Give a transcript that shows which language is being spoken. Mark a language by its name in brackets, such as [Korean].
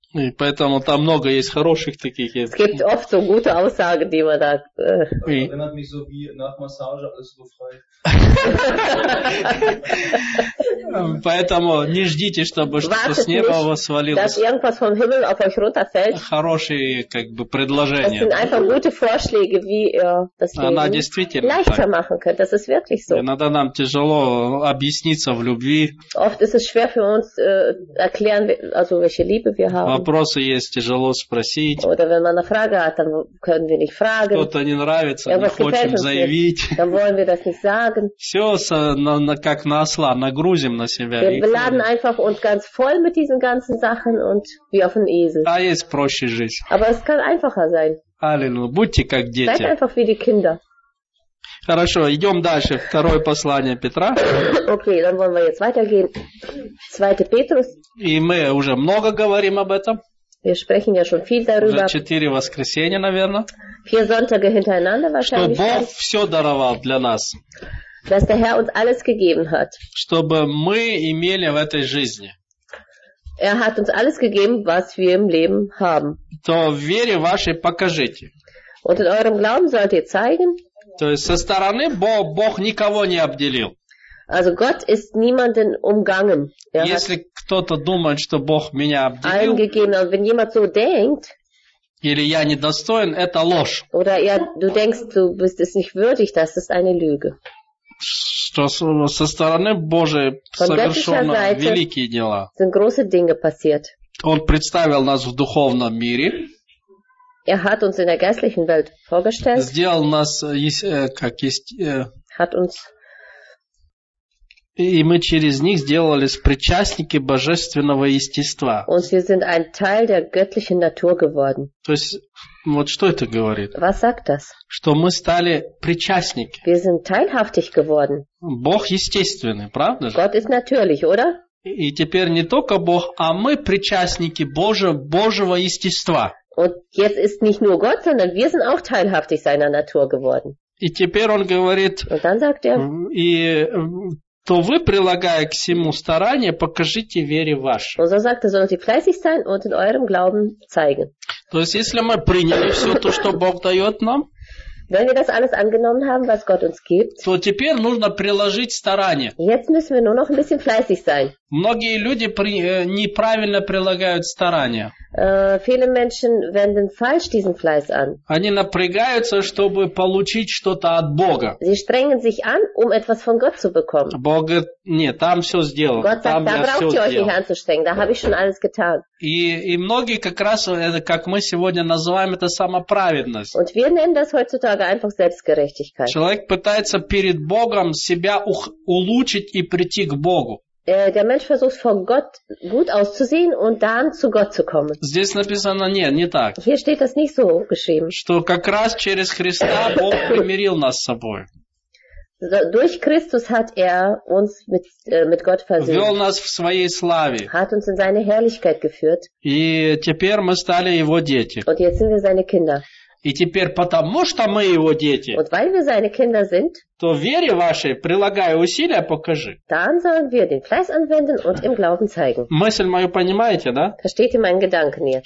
[Russian] И поэтому там много есть хороших таких. [German] Es gibt oft so gute Aussagen, die man sagt. Erinnert mich so wie nach Massage, alles so frei. [Russian] Поэтому не ждите, чтобы что-то с неба у вас свалилось. [German] Dass irgendwas vom Himmel auf euch runterfällt. [Russian] Хорошие как бы предложения. [German] Das sind einfach gute Vorschläge, wie ihr das Leben leichter machen könnt. Das ist wirklich so. [Russian] Иногда нам тяжело объясниться в любви. [German] Oft ist es schwer für uns erklären, also welche Liebe wir haben. [Russian] Вопросы есть, тяжело спросить. [German] Oder wenn man eine Frage hat, dann können wir nicht fragen. [Russian] Кто-то не нравится, мы хотим заявить. [German] Dann wollen wir das nicht sagen. [Russian] Все как на осла, нагрузим на себя. [German] Wir beladen einfach uns ganz voll mit diesen ganzen Sachen und wie auf einen Esel. Da ist [Russian] проще жить. [German] Aber es kann einfacher sein. [Russian] Halleluja, будьте как дети. [German] Seid einfach wie die Kinder. [Russian] Хорошо, идем дальше. Второе послание Петра. [German] Okay, dann wollen wir jetzt weitergehen. Zweite Petrus. [Russian] И мы уже много говорим об этом. [German] Wir sprechen ja schon viel darüber. [Russian] Уже четыре воскресенья, наверное. [German] Vier Sonntage hintereinander wahrscheinlich. [Russian] Что Бог все даровал для нас. [German] Dass der Herr uns alles gegeben hat. [Russian] Чтобы мы имели в этой жизни. [German] Er hat uns alles gegeben, was wir im Leben haben. [Russian] То в вере вашей покажите. [German] Und in eurem Glauben sollt ihr zeigen. [Russian] То есть со стороны Бог никого не обделил. [German] Also Gott ist niemanden umgangen. [Russian] Если кто-то думает, что Бог меня обделил, [German] allen gegeben, also wenn jemand so denkt, [Russian] или я недостоин, это ложь. [German] Oder ja, du denkst, du bist es nicht würdig, das ist eine Lüge. [Russian] Что со стороны Божьей совершено великие дела. [German] Sind große Dinge passiert. [Russian] Он представил нас в духовном мире. [German] Er hat uns in der geistlichen Welt vorgestellt. [Russian] Сделал нас, как есть, [German] hat uns, [Russian] и мы через них сделались причастники божественного естества. [German] Und wir sind ein Teil der göttlichen Natur geworden. [Russian] То есть, вот что это говорит? [German] Was sagt das? [Russian] Что мы стали причастники. [German] Wir sind teilhaftig geworden. [Russian] Бог естественный, правда же? [German] Gott ist natürlich, oder? [Russian] И теперь не только Бог, а мы причастники Божьего естества. [German] Und jetzt ist nicht nur Gott, sondern wir sind auch teilhaftig seiner Natur geworden. [Russian] И теперь он говорит, [German] und dann sagt er, [Russian] и, то вы, прилагая к всему старание, покажите вере вашей. [German] Und so sagt er, sollt ihr fleißig sein und in eurem Glauben zeigen. [Russian] То есть, если мы приняли все то, что Бог дает нам, [German] wenn wir das alles angenommen haben, was Gott uns gibt, [Russian] то теперь нужно приложить старание. [German] Jetzt müssen wir nur noch ein bisschen fleißig sein. [Russian] Многие люди неправильно прилагают старание. [German] Viele Menschen wenden falsch diesen Fleiß an. [Russian] Они напрягаются, чтобы получить что-то от Бога. [German] Sie strengen sich an, um etwas von Gott zu bekommen. [Russian] Бог говорит, нет, там все сделано. [German] Gott sagt, [Russian] там [German] da braucht ihr euch nicht anzustrengen, da habe ich schon alles getan. [Russian] И многие как раз, как мы сегодня называем, это самоправедность. [German] Und wir nennen das heutzutage einfach Selbstgerechtigkeit. [Russian] Человек пытается перед Богом себя улучшить и прийти к Богу. [German] Der Mensch versucht vor Gott gut auszusehen und dann zu Gott zu kommen. [Russian] Здесь написано, нет, не так. [German] Hier steht das nicht so geschrieben. [Russian] Что как раз через Христа Бог примирил нас с собой. [German] Durch Christus hat er uns mit Gott versöhnt. [Russian] Вёл нас в своей славе. [German] Hat uns in seine Herrlichkeit geführt. [Russian] И теперь мы стали его дети. [German] Und jetzt sind wir seine Kinder. [Russian] И теперь, потому что мы его дети, [German] und weil wir seine Kinder sind, [Russian] то вере вашей, прилагая усилия, покажи. [German] Dann sollen wir den Fleiß anwenden und im Glauben zeigen. [Russian] Мысль мою понимаете, да? [German] Versteht ihr meinen Gedanken jetzt?